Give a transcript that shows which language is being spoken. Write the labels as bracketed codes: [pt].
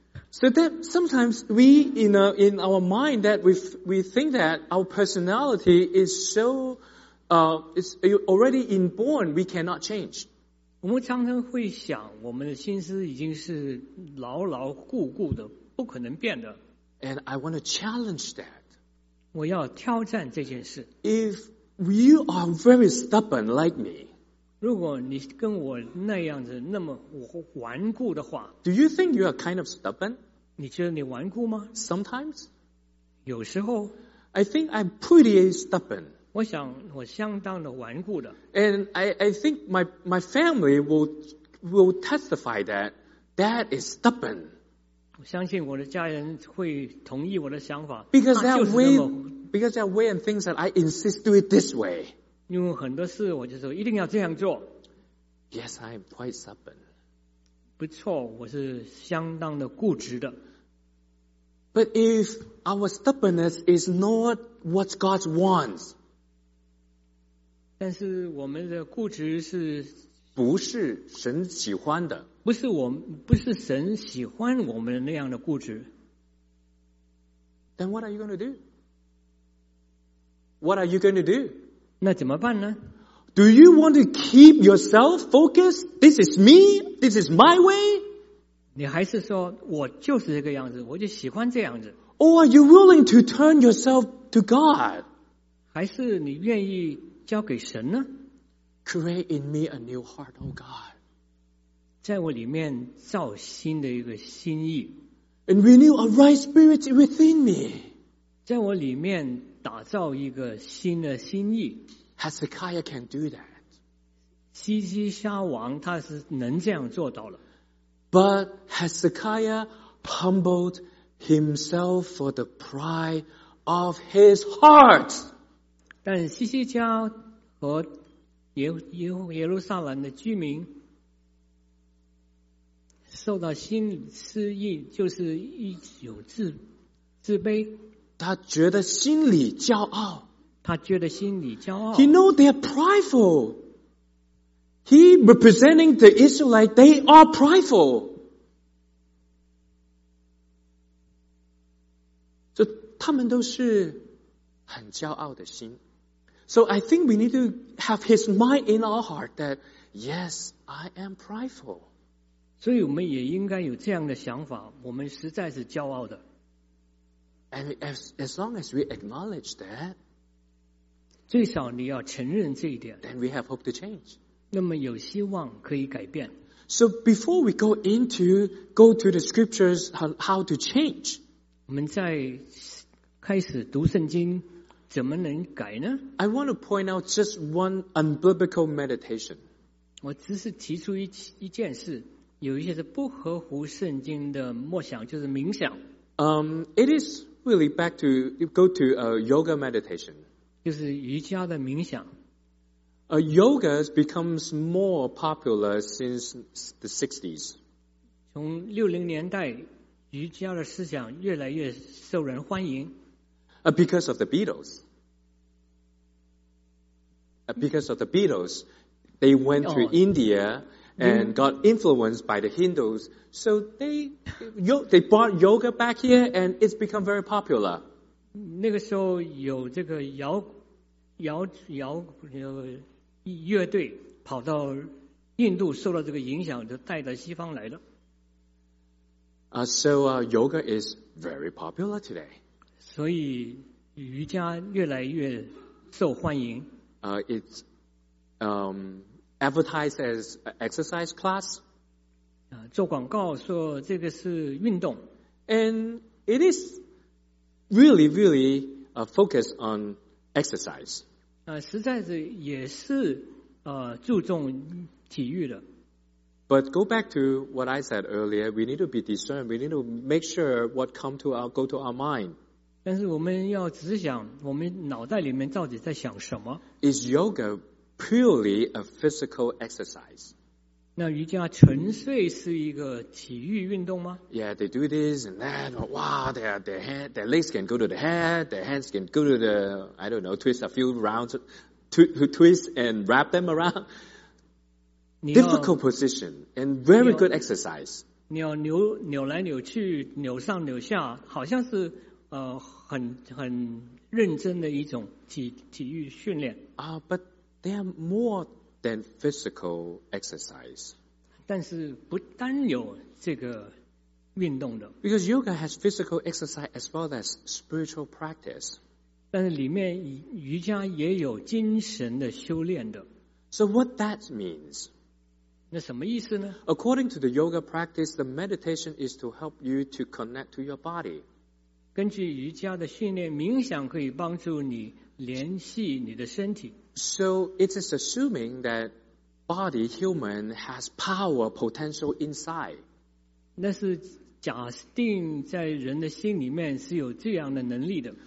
[en] So that sometimes we, you know, in our mind that we think that our personality is so, is already inborn, we cannot change. [zh] 我们常常会想我们的心思已经是牢牢固固的，不可能变的。 [en] And I want to challenge that. [zh] 我要挑战这件事。 [en] If you are very stubborn like me, [zh] 如果你跟我那样子那么顽固的话 [en] ，Do you think you are kind of stubborn？ [zh] 你觉得你顽固吗 [en] ？Sometimes， [zh] 有时候 [en] ，I think I'm pretty stubborn。 [zh] 我想我相当的顽固的。 [en] And I think my family will testify that is stubborn。 [zh] 我相信我的家人会同意我的想法。 [en] Because that way。 Because there are ways and things that I insist do it this way. [zh] 因为很多事我就说一定要这样做。 [en] Yes, I am quite stubborn. [zh] 不错，我是相当的固执的。 [en] But if our stubbornness is not what God wants, [zh] 但是我们的固执是不是神喜欢的？不是我们，不是神喜欢我们那样的固执。 [en] Then what are you going to do? What are you going to do? [zh] 那怎么办呢？ [en] Do you want to keep yourself focused? This is me. This is my way. [zh] 你还是说我就是这个样子，我就喜欢这样子。 [en] Or are you willing to turn yourself to God? [zh] 还是你愿意交给神呢？ [en] Create in me a new heart, oh God. [zh] 在我里面造新的一个心意。 [en] And renew a right spirit within me. [zh] 在我里面打造一个新的心意。 [en] Hezekiah can do that. [zh] 西西沙王他是能这样做到了。 [en] But Hezekiah humbled himself for the pride of his heart. [zh] 但西西家和耶路撒冷的居民受到心失意，就是一有自卑。他觉得心里骄傲。他觉得心里骄傲。 [en] He know they are prideful. He representing the Israelite, they are prideful. [zh] So, 他们都是很骄傲的心。 [en] So I think we need to have his mind in our heart that yes, I am prideful. [zh] 所以我们也应该有这样的想法，我们实在是骄傲的。 [en] And as long as we acknowledge that. [zh] 最少你要承认这一点。 [en] Then we have hope to change. [zh] 那么有希望可以改变。 [en] So before we go to the scriptures how to change. [zh] 我们在开始读圣经怎么能改呢? [en] I want to point out just one unbiblical meditation. [zh] 我只是提出一件事，有一些是不合乎圣经的默想，就是冥想。 [en] It is really back to go to a yoga meditation. [zh] 就是瑜伽的冥想。 [en] Yoga becomes more popular since the 60s. [zh] 从60年代，瑜伽的思想越来越受人欢迎。 [en] Because of the Beatles. Because of the Beatles, they went to India and got influenced by the Hindus. So they brought yoga back here and it's become very popular. [zh] 那个时候有这个乐队跑到印度，受到这个影响，就带到西方来了。 [en] So yoga is very popular today. [zh] 所以瑜伽越来越受欢迎。 [en] It's advertised as an exercise class. [zh] 做广告说这个是运动。 [en] And it is really, really focused on exercise. [zh] 实在是也是注重体育的。 [en] But go back to what I said earlier, we need to be discerned, we need to make sure what come to our, go to our mind. [zh] 但是我们要只想我们脑袋里面到底在想什么。 [en] Is yoga purely a physical exercise? [zh] 那瑜伽纯粹是一个体育运动吗？ [en] Yeah, they do this and that. Wow, their legs can go to the head, their hands can go to the, I don't know, twist a few rounds, twist and wrap them around. Difficult position and very good exercise. [zh] 你要扭来扭去，扭上扭下，好像是很认真的一种体育训练。 [en] But they are more than physical exercise. [zh] 但是不单有这个运动的。 [en] Because yoga has physical exercise as well as spiritual practice. [zh] 但是里面瑜伽也有精神的修炼的。 [en] So what that means? [zh] 那什么意思呢? [en] According to the yoga practice, the meditation is to help you to connect to your body. [zh] 根据瑜伽的训练，冥想可以帮助你联系你的身体。 [en] So it is assuming that body human has power potential inside. [zh] 那是假定在人的心里面是有这样的能力的。